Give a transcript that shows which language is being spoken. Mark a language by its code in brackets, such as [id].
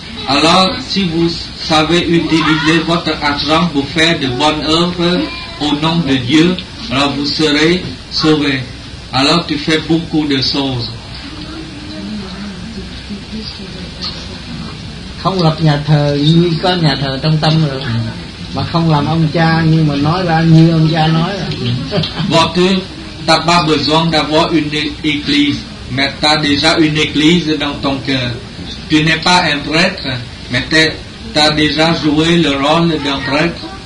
[fr] Alors, si vous savez utiliser votre argent pour faire de bonnes œuvres au nom de Dieu, alors vous serez sauvé. Alors, tu fais beaucoup de choses. [vi] Không lập nhà thờ như có nhà thờ trong tâm rồi. Mà không làm ông cha nhưng mà nói ra như ông cha nói. [fr] Bon, tu n'as pas besoin d'avoir une église, mais tu as déjà une église dans ton cœur. Tu n'es pas un prêtre, mais tu as déjà joué le rôle d'un prêtre.